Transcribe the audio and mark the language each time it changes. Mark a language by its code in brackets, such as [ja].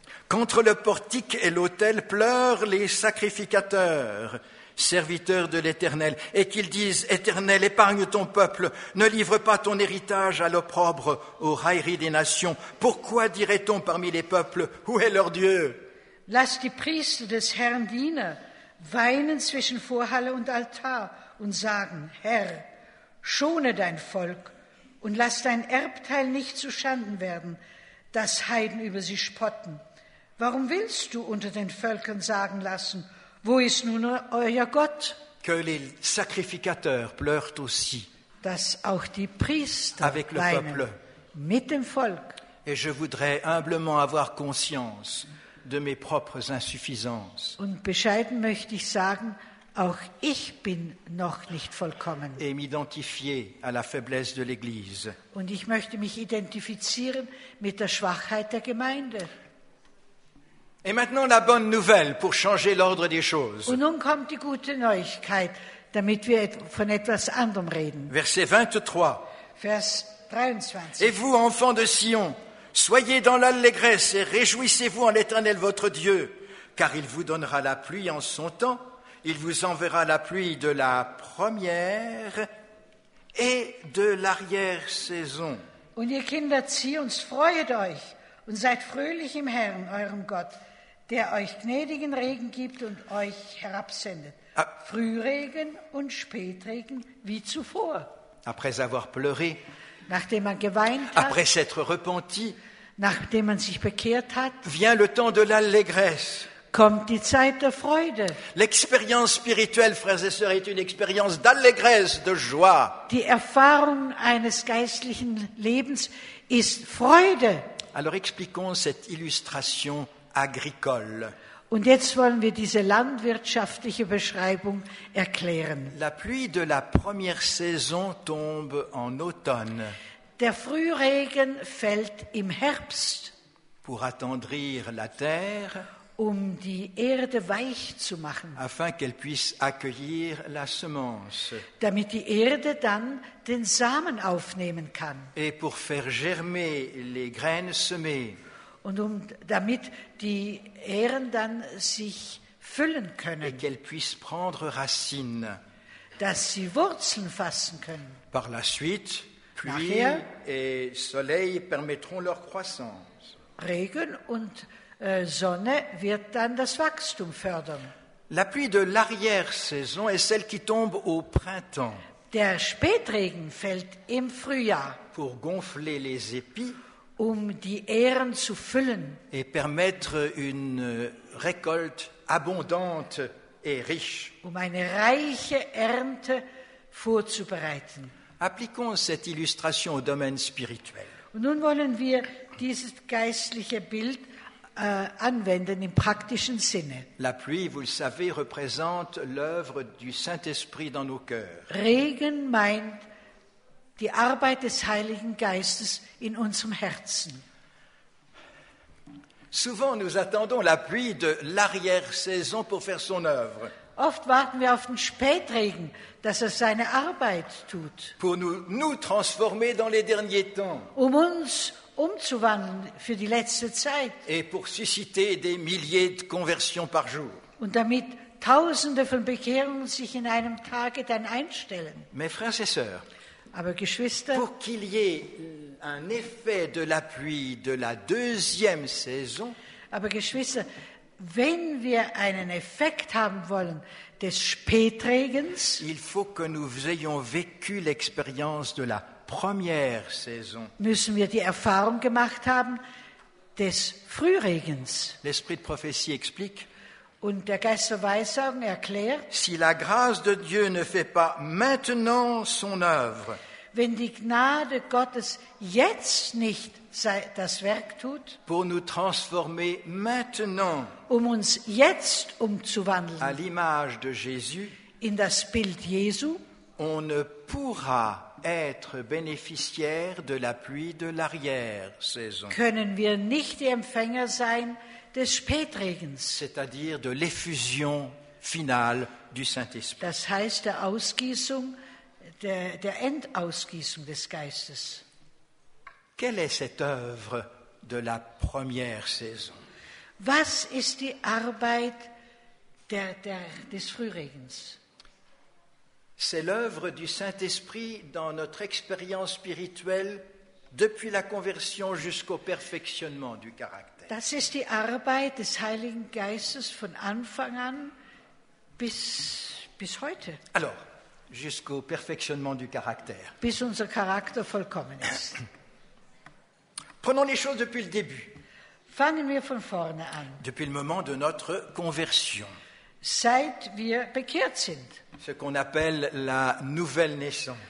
[fr] Contre le portique et l'autel pleurent les sacrificateurs, serviteurs de l'Éternel, et qu'ils disent, Éternel, épargne ton peuple, ne livre pas ton héritage à l'opprobre, aux railleries des nations. Pourquoi dirait-on parmi les peuples, où est leur Dieu? [de] Lass die Priester des Herrn dienen, weinen zwischen Vorhalle und Altar und sagen, Herr, schone dein Volk, und lass dein Erbteil nicht zu Schanden werden, dass Heiden über sie spotten. Warum willst du unter den Völkern sagen lassen, wo ist nun euer Gott? [fr] Que les sacrificateurs pleurent aussi. [de] Dass auch die Priester [fr] avec le [de] weinen [fr] peuple. [de] Mit dem Volk. [fr] Et je voudrais humblement avoir conscience de mes propres insuffisances. [de] Und bescheiden möchte ich sagen, auch ich bin noch nicht vollkommen. [fr] Et m'identifier à la faiblesse de l'Église. [de] Und ich möchte mich identifizieren mit der Schwachheit der Gemeinde. [fr] Et maintenant la bonne nouvelle pour changer l'ordre des choses. [de] Und nun kommt die gute Neuigkeit, damit wir von etwas anderem reden. [fr] Verset 23. [de] Vers 23. [fr] Et vous, enfants de Sion, soyez dans l'allégresse et réjouissez-vous en l'Éternel votre Dieu, car il vous donnera la pluie en son temps. Il vous enverra la pluie de la première et de l'arrière-saison. [de] Und ihr Kinder, zieh uns, freut euch und seid fröhlich im Herrn, eurem Gott, der euch gnädigen Regen gibt und euch herabsendet. Frühregen und Spätregen wie zuvor. [fr] Après avoir pleuré, [de] nachdem man geweint hat, [fr] après s'être repenti, [de] nachdem man sich bekehrt hat, [fr] vient le temps de l'allégresse. [de] Kommt die Zeit der Freude. [fr] L'expérience spirituelle, frères et sœurs, est une expérience d'allégresse, de joie. [de] Die Erfahrung eines geistlichen Lebens ist Freude. [fr] Alors expliquons cette illustration agricole. [de] Und jetzt wollen wir diese landwirtschaftliche Beschreibung erklären. [fr] La pluie de la première saison tombe en automne. [de] Der Frühregen fällt im Herbst. [fr] Pour attendrir la terre. [de] Um die Erde weich zu machen. [fr] Afin qu'elle puisse accueillir la semence. [de] Damit die Erde dann den Samen aufnehmen kann. [fr] Et pour faire germer les graines semées. [de] Und um, damit die Ähren dann sich füllen können. [fr] Et qu'elle puisse prendre racine. [de] Dass sie Wurzeln fassen können. [fr] Par la suite, pluie et soleil permettront leur croissance. [de] Regen und Sonne wird dann das Wachstum fördern. [fr] La pluie de l'arrière-saison est celle qui tombe au printemps. [de] Der Spätregen fällt im Frühjahr. [fr] Pour gonfler les épis. [de] Um die Ähren zu füllen. [fr] Et permettre une récolte abondante et riche. [de] Um eine reiche Ernte vorzubereiten. [fr] Appliquons cette illustration au domaine spirituel. [de] Und nun wollen wir dieses geistliche Bild anwenden im praktischen Sinne. [fr] La pluie, vous le savez, représente l'œuvre du Saint-Esprit dans nos cœurs. [de] Regen meint die Arbeit des Heiligen Geistes in unserem Herzen. [fr] Souvent nous attendons la pluie de l'arrière-saison pour faire son œuvre. [de] Oft warten wir auf den Spätregen, dass er seine Arbeit tut. [fr] Pour nous transformer dans les derniers temps. [de] Um uns umzuwandeln für die letzte Zeit. [fr] Et pour susciter des milliers de conversions par jour. [de] Und damit Tausende von Bekehrungen sich in einem Tage dann einstellen. [fr] Mes frères et sœurs, [de] aber Geschwister, [fr] pour qu'il y ait un effet de la pluie de la deuxième saison, [de] aber Geschwister, wenn wir einen Effekt haben wollen des Spätregens, [fr] il faut que nous ayons vécu l'expérience de la première saison. [de] Müssen wir die Erfahrung gemacht haben des Frühregens. [fr] L'esprit de prophétie explique. [de] Und der Geist der Weissagung erklärt. [fr] Si la grâce de Dieu ne fait pas maintenant son œuvre. [de] Wenn die Gnade Gottes jetzt nicht das Werk tut. [fr] Pour nous transformer maintenant. [de] Um uns jetzt umzuwandeln. [fr] À l'image de Jésus. [de] In das Bild Jesu. [fr] On ne pourra être bénéficiaire de la pluie de l'arrière saison. [de] Können wir nicht die Empfänger sein des Spätregens? [fr] C'est-à-dire de l'effusion finale du Saint-Esprit. [de] Das heißt der Ausgießung, der Endausgießung des Geistes. [fr] Quelle est cette œuvre de la première saison? [de] Was ist die Arbeit des Frühregens? [fr] C'est l'œuvre du Saint-Esprit dans notre expérience spirituelle depuis la conversion jusqu'au perfectionnement du caractère. [de] Das ist die Arbeit des Heiligen Geistes von Anfang an bis heute. [fr] Alors, jusqu'au perfectionnement du caractère. [de] Bis unser Charakter vollkommen ist. [fr] Prenons les choses depuis le début. [de] Fangen wir von vorne an. [fr] Depuis le moment de notre conversion. [de] Seit wir bekehrt sind. [fr] Ce qu'on appelle la nouvelle naissance.